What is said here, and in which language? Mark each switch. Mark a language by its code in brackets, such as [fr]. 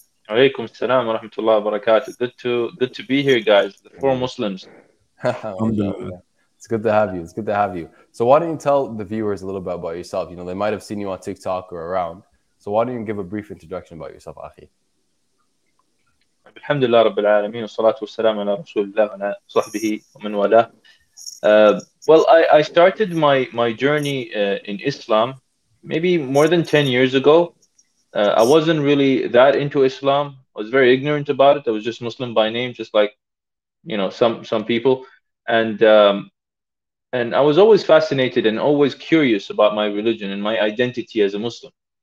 [ar] Alaikum assalam wa rahmatullahi wa barakatuh. [en] Good to be here, guys, the four Muslims. It's good to have you. So why don't you tell the viewers a little bit about yourself? You know, they might have seen you on TikTok or around. So why don't you give a brief introduction about yourself, Akhi? [ar] الحمد لله رب العالمين والصلاة والسلام على رسول الله وعلى صحبه ومن والاه. [en] Well, I started my journey in Islam maybe more than 10 years ago. I wasn't really that into Islam. I was very ignorant about it. I was just Muslim by name, just like, you know, some people. And I was always fascinated and always curious about my religion and my identity as a Muslim.